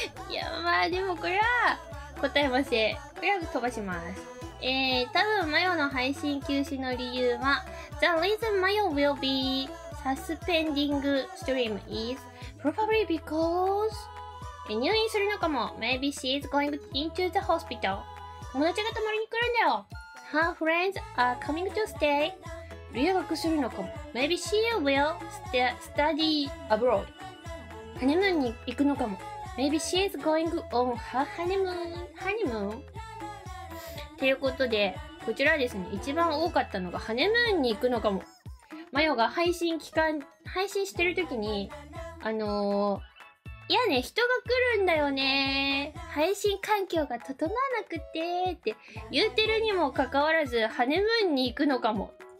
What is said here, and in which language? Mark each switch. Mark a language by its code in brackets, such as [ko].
[ja] いや、まあ、でもこれは答えません。これは飛ばします。多分、マヨの配信休止の理由は、 [en] The reason Mayo will be suspending stream is probably because [ja] 入院するのかも。 [en] Maybe she is going into the hospital。 [ja] 友達が泊まりに来るんだよ。 [en] Her friends are coming to stay。 [ja] 留学するのかも。 [en] Maybe she will study abroad. [ja] ハネムーンに行くのかも。 [en] Maybe she is going on her honeymoon. [ja] ということで、こちらですね、一番多かったのがハネムーンに行くのかも。マヨが配信してる時に、いやね、人が来るんだよね。配信環境が整わなくて、って言うてるにもかかわらず、ハネムーンに行くのかも。